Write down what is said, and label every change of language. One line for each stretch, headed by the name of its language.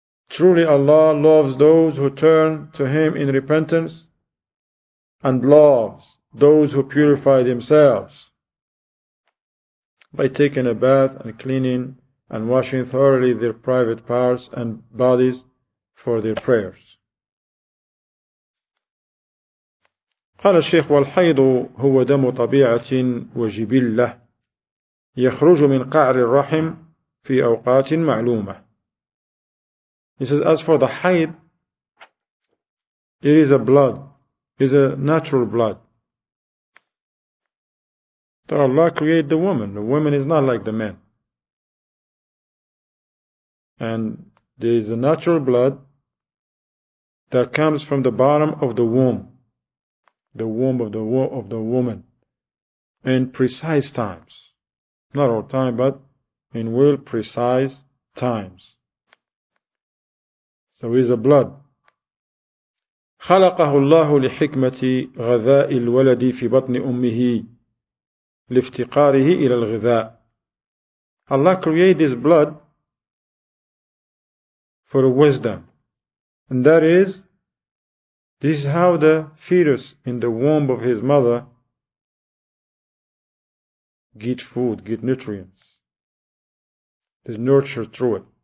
English: Truly Allah loves those who turn to Him in repentance and loves those who purify themselves by taking a bath and cleaning and washing thoroughly their private parts and bodies for their prayers.
Arabic: قال الشيخ والحيض هو دم طبيعة وجبلة يخرج من قعر الرحم في أوقات معلومة.
English: He says, as for the haid, it is a blood, it is a natural blood. That Allah created the woman. The woman is not like the man. And there is a natural blood that comes from the bottom of the womb. The womb of the woman. In precise times. Not all time, but in well precise times. So is a blood.
Arabic: خلقه الله لحكمة غذاء الولد في بطن أمه لافتقاره إلى الغذاء.
English: Allah created this blood for wisdom. And that is, this is how the fetus in the womb of his mother get food, get nutrients. is nurtured through it.